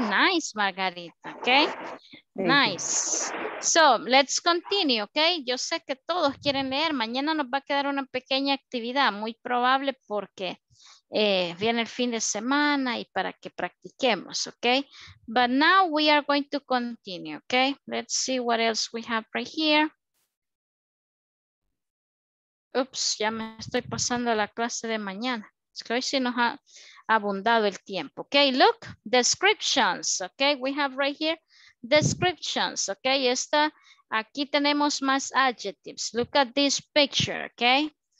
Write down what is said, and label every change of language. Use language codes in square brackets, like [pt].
[en] Nice, Margarita. Okay. Nice. [es] So let's continue. Okay. Yo sé que todos quieren leer. Mañana nos va a quedar una pequeña actividad. Muy probable porque... viene el fin de semana y para que practiquemos, okay? [en] But now we are going to continue, okay? Let's see what else we have right here. [es] Oops, ya me estoy pasando la clase de mañana. Es que hoy sí nos ha abundado el tiempo, okay? [en] Look, descriptions, okay? We have right here descriptions, okay? [es] Esta, aquí tenemos más adjectives. Look at this picture, okay?